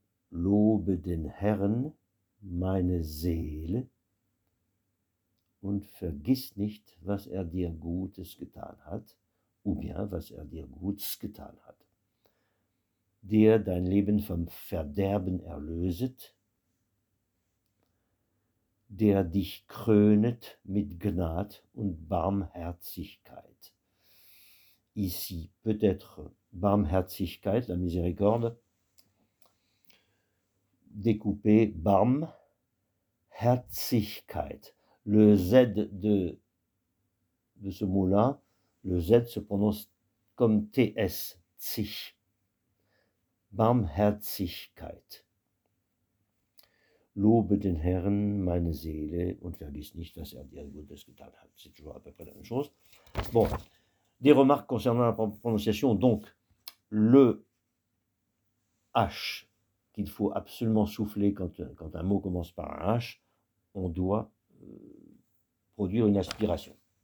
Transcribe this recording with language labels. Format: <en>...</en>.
<de>Lobe den Herrn, meine Seele, und vergiss nicht, was dir Gutes getan hat,</de> <fr>ou bien</fr> <de>was dir Gutes getan hat. Der dein Leben vom Verderben erlöset, der dich krönet mit Gnad und Barmherzigkeit.</de> <fr>Ici, peut-être Barmherzigkeit, la miséricorde, découpé Barmherzigkeit. Le Z de ce mot-là, le Z se prononce comme TS, tsich.</fr> <de>Barmherzigkeit. Lobe den Herrn, meine Seele, und vergiss nicht, was dir Gutes getan hat.</de> <fr>C'est toujours à peu près la même chose. Bon. Des remarques concernant la prononciation. Donc, le H qu'il faut absolument souffler quand un mot commence par un H, on doit produire une aspiration.</fr>